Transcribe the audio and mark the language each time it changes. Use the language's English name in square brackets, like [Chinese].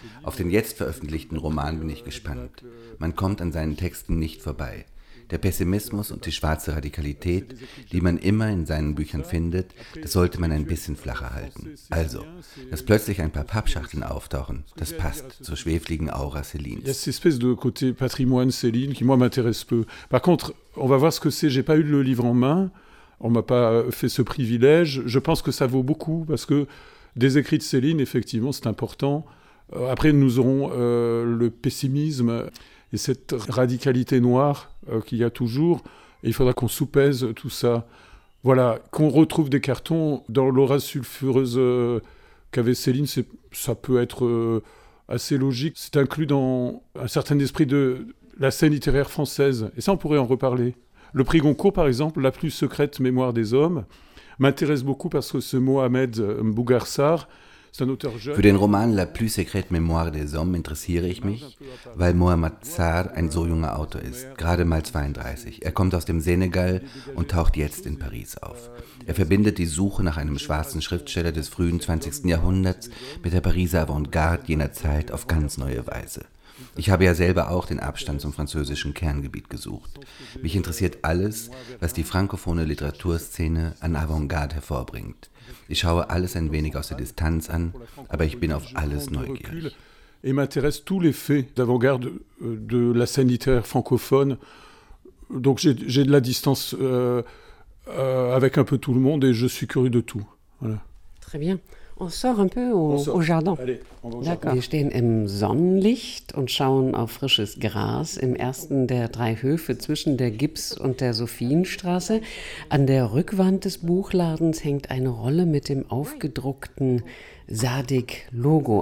[German] Auf den jetzt veröffentlichten Roman bin ich gespannt. Man kommt an seinen Texten nicht vorbei. Der Pessimismus und die schwarze Radikalität, die man immer in seinen Büchern findet, das sollte man ein bisschen flacher halten. Also, dass plötzlich ein paar Pappschachteln auftauchen, das passt zur schwefligen Aura Celines. [French] Il y a cette espèce de côté patrimoine Céline qui moi m'intéresse peu. Par contre, on va voir ce que c'est, j'ai pas eu le livre en main, on m'a pas fait ce privilège, je pense que ça vaut beaucoup parce que des écrits de Céline, effectivement, c'est important. Après, nous aurons le pessimisme et cette radicalité noire qu'il y a toujours. Et il faudra qu'on soupèse tout ça. Voilà, qu'on retrouve des cartons dans l'aura sulfureuse qu'avait Céline, ça peut être assez logique. C'est inclus dans un certain esprit de la scène littéraire française. Et ça, on pourrait en reparler. Le prix Goncourt, par exemple, « La plus secrète mémoire des hommes », m'intéresse beaucoup parce que ce Mohamed Bougarsar, c'est un auteur jeune. [German] Für den Roman La plus secrète mémoire des hommes interessiere ich mich, weil Mohamed Sarr ein so junger Autor ist, gerade mal 32. Er kommt aus dem Senegal und taucht jetzt in Paris auf. Er verbindet die Suche nach einem schwarzen Schriftsteller des frühen 20. Jahrhunderts mit der Pariser Avantgarde jener Zeit auf ganz neue Weise. Ich habe ja selber auch den Abstand zum französischen Kerngebiet gesucht. Mich interessiert alles, was die frankophone Literaturszene an Avantgarde hervorbringt. Ich schaue alles ein wenig aus der Distanz an, aber ich bin auf alles neugierig. [French] Et m'intéresse tous les faits d'avant-garde de la scène littéraire francophone. Donc j'ai de la distance avec un peu tout le monde et je suis curieux de tout. Voilà. Très bien. On sort un peu au jardin. Allez, d'accord. [German] Wir stehen im Sonnenlicht und schauen auf frisches Gras im ersten der drei Höfe zwischen der Gips- und der Sophienstraße. An der Rückwand des Buchladens hängt eine Rolle mit dem aufgedruckten Sadik-Logo.